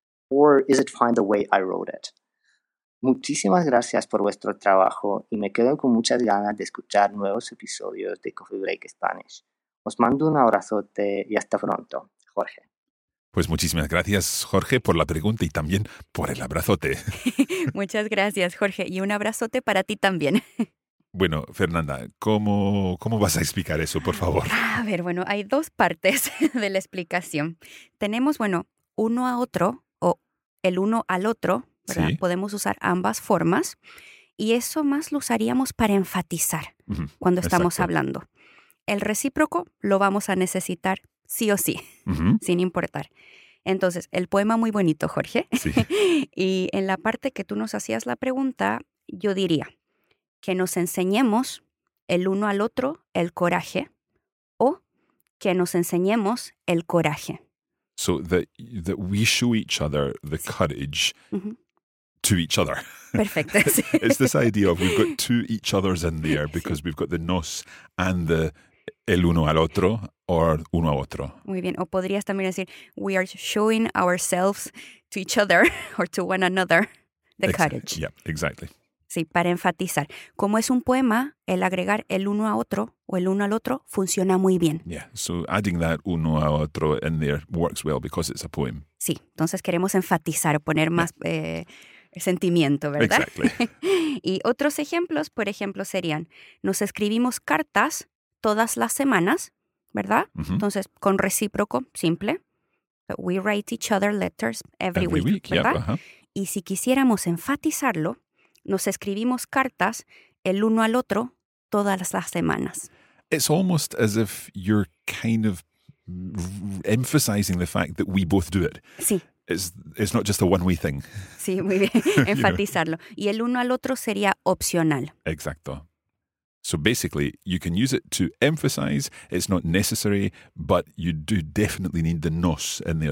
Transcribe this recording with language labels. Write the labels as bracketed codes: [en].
[en] Or is it fine the way I wrote it? [es] Muchísimas gracias por vuestro trabajo y me quedo con muchas ganas de escuchar nuevos episodios de Coffee Break Spanish. Os mando un abrazote y hasta pronto, Jorge. Pues muchísimas gracias, Jorge, por la pregunta y también por el abrazote. Muchas gracias, Jorge, y un abrazote para ti también. Bueno, Fernanda, ¿cómo vas a explicar eso, por favor? A ver, bueno, hay dos partes de la explicación. Tenemos, bueno, uno a otro o el uno al otro, ¿verdad? Sí. Podemos usar ambas formas y eso más lo usaríamos para enfatizar cuando estamos hablando. El recíproco lo vamos a necesitar sí o sí, sin importar. Entonces, el poema muy bonito, Jorge. Sí. Y en la parte que tú nos hacías la pregunta, yo diría que nos enseñemos el uno al otro el coraje o que nos enseñemos el coraje. [en] So that we show each other the courage to each other. [es] Perfecto. Sí. [en] It's this idea of we've got two each others in there because we've got the nos and the [es] el uno al otro [en] or [es] uno a otro. Muy bien. O podrías también decir [en] we are showing ourselves to each other or to one another the courage. Yeah, exactly. [es] Sí, para enfatizar. Como es un poema, el agregar el uno a otro o el uno al otro funciona muy bien. [en] Yeah, so adding that [es] uno a otro [en] in there works well because it's a poem. [es] Sí, entonces queremos enfatizar, poner más sentimiento, ¿verdad? [en] Exactly. [es] Y otros ejemplos, por ejemplo, serían, nos escribimos cartas todas las semanas, ¿verdad? Mm-hmm. Entonces, con recíproco, simple. [en] But we write each other letters every week, [es] ¿verdad? [en] Yep, [es] Y si quisiéramos enfatizarlo, nos escribimos cartas el uno al otro todas las semanas. [en] It's almost as if you're kind of emphasizing the fact that we both do it. [es] Sí. [en] It's not just a one-way thing. [es] Sí, muy bien. Enfatizarlo. Y el uno al otro sería opcional. Exacto. [en] So basically, you can use it to emphasize. It's not necessary, but you do definitely need the nos in there.